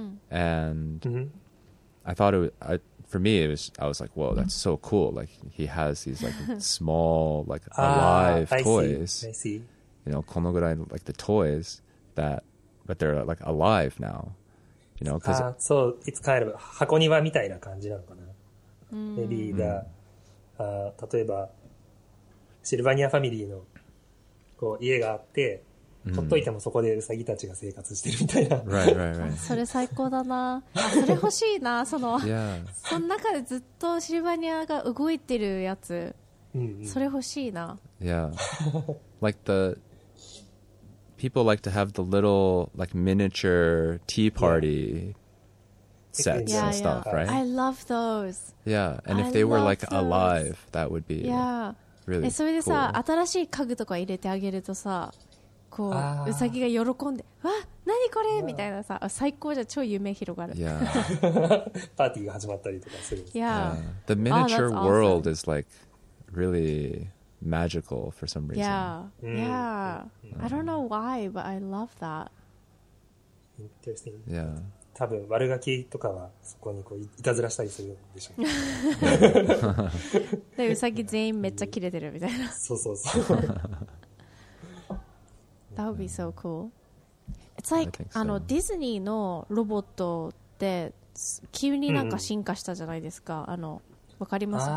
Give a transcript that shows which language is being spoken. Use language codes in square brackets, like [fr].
[en] And I thought I was like, whoa, that's so cool. Like he has these like small, like alive toys. I see. You know, [ja] このぐらい, [en] like the toys that, but they're like alive now, you know? Cause so [ja] it's kind of 箱庭みたいな感じなのかな。 [en] Maybe the, [ja] 例えば、シルバニアファミリーのこう家があって、ほっといてもそこでウサギたちが生活してるみたいな。それ最高だな。それ欲しいな。その、その中でずっとシルバニアが動いてるやつ。それ欲しいな。 [en] Yeah. Like the people like to have the little like miniature tea party sets and stuff, right? I love those. Yeah. And if they were like alive, that would be really cool. [ja] それでさ、新しい家具とか入れてあげるとさ、こう、ウサギが喜んで、わっ何これみたいなさ、最高じゃ、超夢広がる。パーティーが始まったりとかする。 [en] The miniature world is like really magical for some reason. I don't know why, but I love that. Interesting. Yeah. [ja] 多分悪ガキとかはそこにこういたずらしたりするんでしょう。ウサギ全員めっちゃキレてるみたいな。そうそうそう。 [en] That would be so cool. It's like [ja] ディズニーのロボットって急になんか進化したじゃないですか。わかります？